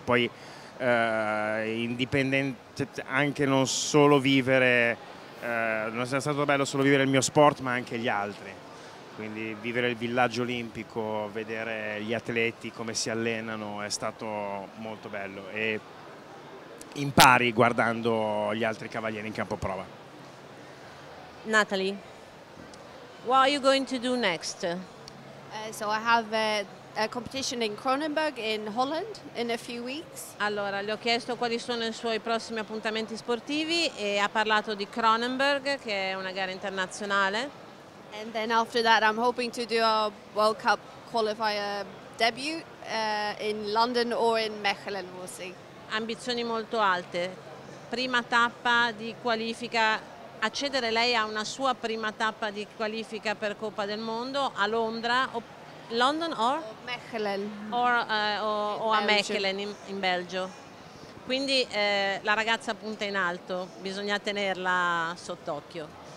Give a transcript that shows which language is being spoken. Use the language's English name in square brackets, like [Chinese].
[Italian] Poi, indipendente, anche non solo vivere, non è stato bello solo vivere il mio sport, ma anche gli altri. Quindi vivere il villaggio olimpico, vedere gli atleti come si allenano, è stato molto bello. E impari guardando gli altri cavalieri in campo prova. [English] Natalie, what are you going to do next? So I have a competition in Kronenburg in Holland in a few weeks. [Italian] Allora, le ho chiesto quali sono i suoi prossimi appuntamenti sportivi e ha parlato di Kronenburg, che è una gara internazionale. [English] And then after that I'm hoping to do a World Cup qualifier debut in London or in Mechelen, we'll see. [Italian] Ambizioni molto alte. Prima tappa di qualifica. Accedere lei a una sua prima tappa di qualifica per Coppa del Mondo a Londra, o [English] London or? Mechelen. [Italian] O a Mechelen in Belgio. Quindi la ragazza punta in alto, bisogna tenerla sott'occhio.